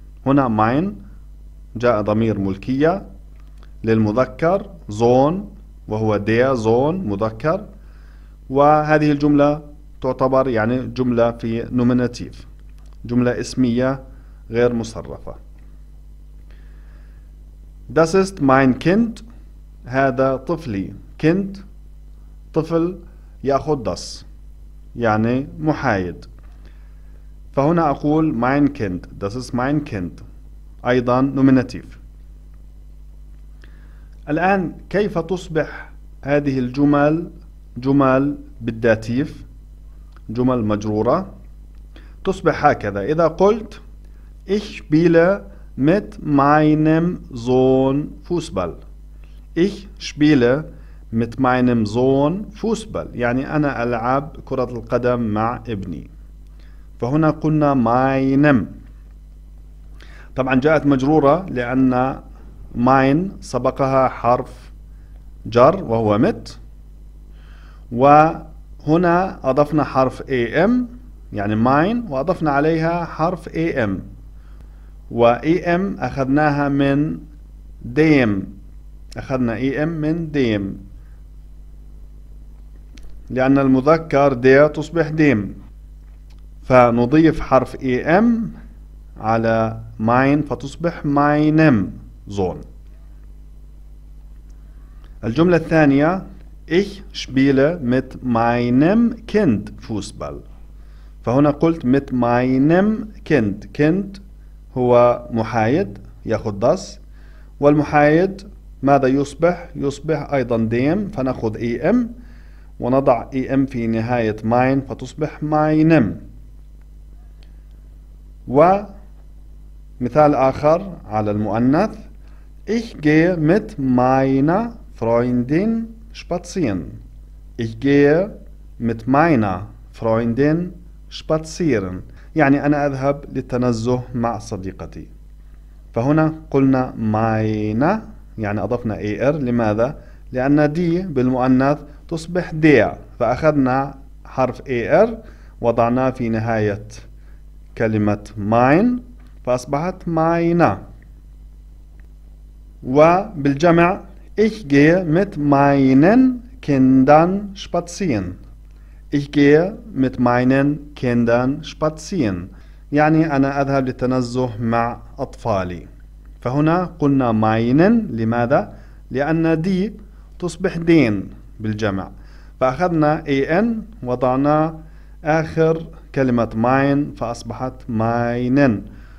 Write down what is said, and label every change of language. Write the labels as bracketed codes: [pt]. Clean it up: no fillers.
[ar] هنا mein جاء ضمير ملكية للمذكر زون وهو ديا زون مذكر، وهذه الجملة تعتبر يعني جملة في نومناتيف جملة اسمية غير مصرفة. [de] Das ist mein Kind، [ar] هذا طفلي. Kind طفل يأخذ das يعني محايد، فهنا أقول [de] mein Kind. Das ist mein Kind [ar] أيضا نومناتيف. الآن كيف تصبح هذه الجمل جمل بالداتيف جمل مجرورة؟ تصبح هكذا: إذا قلت [de] Ich spiele mit meinem Sohn Fußball. Ich spiele mit meinem Sohn Fußball. [ar] يعني أنا ألعب كرة القدم مع ابني. فهنا قلنا meinem. طبعا جاءت مجرورة لأن ماين سبقها حرف جر وهو مت، وهنا أضفنا حرف AM يعني ماين، وأضفنا عليها حرف AM، وAM أخذناها من ديم، أخذنا AM من ديم لأن المذكر دي تصبح ديم، فنضيف حرف AM على ماين فتصبح ماينم زون. الجملة الثانية: [de] Ich spiele mit meinem Kind Fußball. [ar] فهنا قلت [de] mit meinem Kind. [ar] Kind هو محايد يأخذ das، والمحايد ماذا يصبح؟ يصبح أيضا dem، فنأخذ am ونضع EM في نهاية mein فتصبح meinem. ومثال آخر على المؤنث: [de] Ich gehe mit meiner Freundin spazieren. Ich gehe mit meiner Freundin spazieren. [ar] يعني أنا أذهب للتنزه مع صديقتي. فهنا قلنا meine يعني أضفنا er. لماذا؟ لأن دي بالمؤنث تصبح der، فأخذنا حرف er وضعناه في نهاية كلمة mein فأصبحت meine. وبالجمع [de] ich gehe mit meinen Kindern spazieren. Ich gehe mit meinen Kindern spazieren. [ar] يعني أنا أذهب للتنزه مع أطفالي. فهنا قلنا meinen. لماذا؟ لأن دي تصبح den بالجمع، فأخذنا an وضعنا آخر كلمة mein فأصبحت meinen.